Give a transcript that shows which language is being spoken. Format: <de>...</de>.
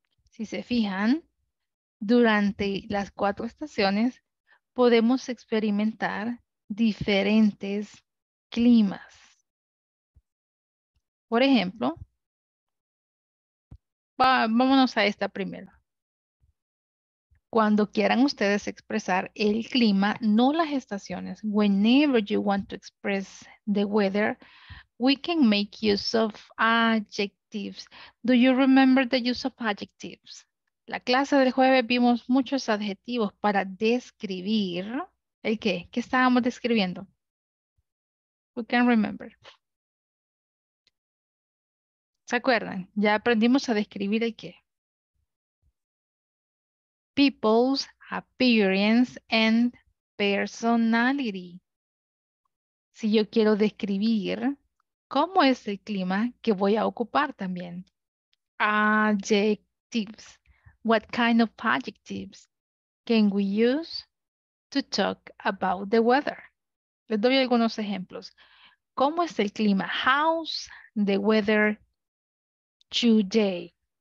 <es>Si se fijan, durante las cuatro estaciones podemos experimentar diferentes climas. Por ejemplo, vámonos a esta primera. Cuando quieran ustedes expresar el clima, no las estaciones.</es> <en>Whenever you want to express the weather, we can make use of adjectives. Do you remember the use of adjectives?</en> <es>La clase del jueves vimos muchos adjetivos para describir. ¿El qué? ¿Qué estábamos describiendo?</es> <en>We can remember.</en> <es>¿Se acuerdan? Ya aprendimos a describir el qué.</es> <en>People's appearance and personality.</en> <es>Si yo quiero describir cómo es el clima, que voy a ocupar también.</es> <en>Adjectives. What kind of adjectives can we use to talk about the weather?</en> <es>Les doy algunos ejemplos. ¿Cómo es el clima?</es> <en>How's the weather today?</en>